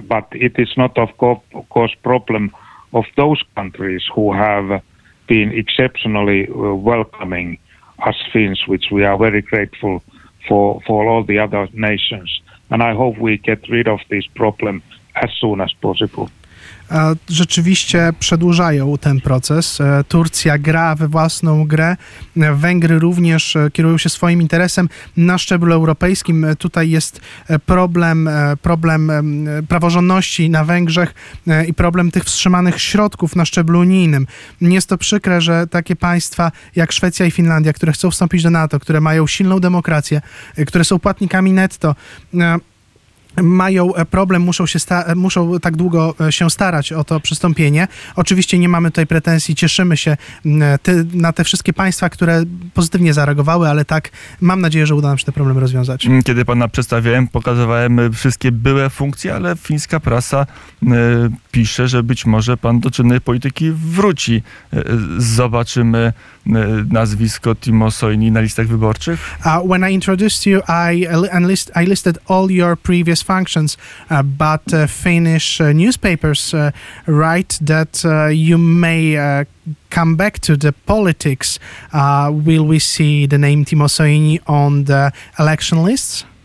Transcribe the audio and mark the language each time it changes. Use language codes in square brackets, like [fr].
[en] But it is not, of course, problem of those countries who have been exceptionally welcoming us Finns, which we are very grateful for all the other nations. And I hope we get rid of this problem as soon as possible. [pl] Rzeczywiście przedłużają ten proces. Turcja gra we własną grę. Węgry również kierują się swoim interesem. Na szczeblu europejskim tutaj jest problem praworządności na Węgrzech i problem tych wstrzymanych środków na szczeblu unijnym. Jest to przykre, że takie państwa jak Szwecja i Finlandia, które chcą wstąpić do NATO, które mają silną demokrację, które są płatnikami netto, mają problem, muszą tak długo się starać o to przystąpienie. Oczywiście nie mamy tutaj pretensji, cieszymy się na te wszystkie państwa, które pozytywnie zareagowały, ale tak, mam nadzieję, że uda nam się te problemy rozwiązać. Kiedy pana przedstawiałem, pokazywałem wszystkie byłe funkcje, ale fińska prasa pisze, że być może pan do czynnej polityki wróci. Zobaczymy nazwisko Timo Soini na listach wyborczych. [en] When I introduced you, I listed all your previous functions, but Finnish newspapers write that you may come back to the politics. Will we see the name Timo Soini on the election lists?